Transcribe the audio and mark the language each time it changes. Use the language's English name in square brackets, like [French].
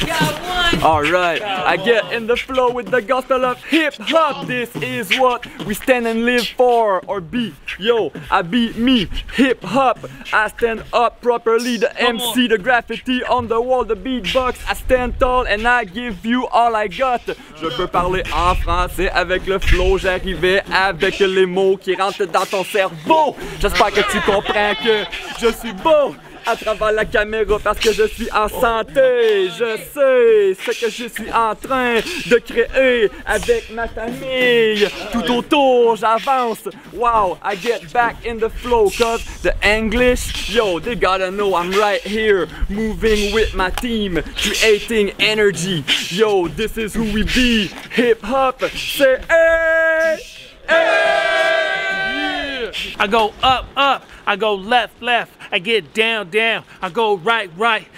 [English] Alright, I get in the flow with the gospel of hip hop. This is what we stand and live for. Or be, yo, I be me, hip hop. I stand up properly, the MC, the graffiti on the wall, the beatbox. I stand tall and I give you all I got. [French] Je peux parler en français avec le flow. J'arrivais avec les mots qui rentrent dans ton cerveau. J'espère que tu comprends que je suis beau à travers la caméra parce que je suis en santé. Je sais ce que je suis en train de créer avec ma famille. Tout autour, j'avance. [English] Wow, I get back in the flow cause the English. Yo, they gotta know I'm right here moving with my team, creating energy. Yo, this is who we be. Hip hop, [French] c'est [English] I go up, up, I go left, left, I get down, down, I go right, right.